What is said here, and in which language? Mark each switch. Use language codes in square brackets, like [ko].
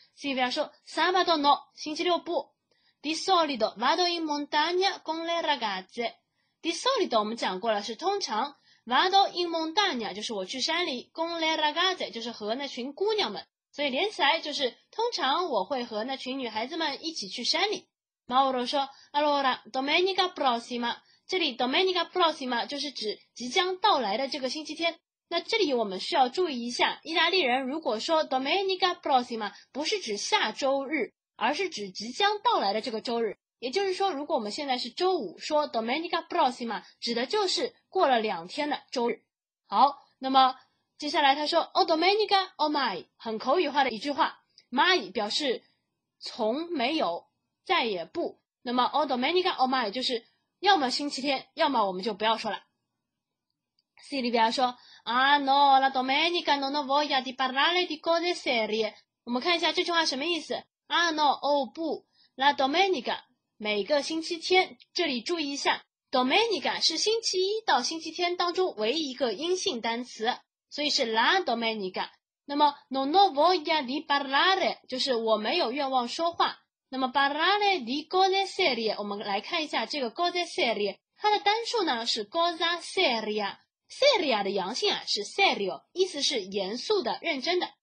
[it] Silvia 说 Sabato no， [zh] 星期六不。 [it] Di solito vado in montagna con le ragazze。 Di solito [zh] 我们讲过了，是通常。 [it] Vado in montagna [zh] 就是我去山里， [it] con le ragazze [zh] 就是和那群姑娘们，所以连起来就是通常我会和那群女孩子们一起去山里。 Mauro 说 [it] Allora domenica prossima， [zh] 这里 domenica prossima 就是指即将到来的这个星期天。那这里我们需要注意一下，意大利人如果说 [it] Domenica prossima [zh] 不是指下周日，而是指即将到来的这个周日，也就是说如果我们现在是周五，说 Domenica prossima 指的就是过了两天的周日。好，那么接下来他说 [it] Oh Domenica oh my， [zh] 很口语化的一句话， my 表示从没有再也不，那么 Oh Domenica oh my 就是要么星期天要么我们就不要说了。 [it] Silvia 说 Ah no la domenica non ho voglia di parlare di cose serie。 [zh] 我们看一下这句话什么意思。Ah no， 哦、oh, 不， [it] la domenica [zh] 每个星期天，这里注意一下， domenica 是星期一到星期天当中唯一一个阴性单词，所以是 la domenica。那么 [it] non ho voglia di parlare [zh] 就是我没有愿望说话，那么 [it] parlare di cose serie， [zh] 我们来看一下这个 [it] cose serie， [zh] 它的单数呢是 [it] cosa seria， [zh] seria 的阳性啊是 serio， 意思是严肃的认真的，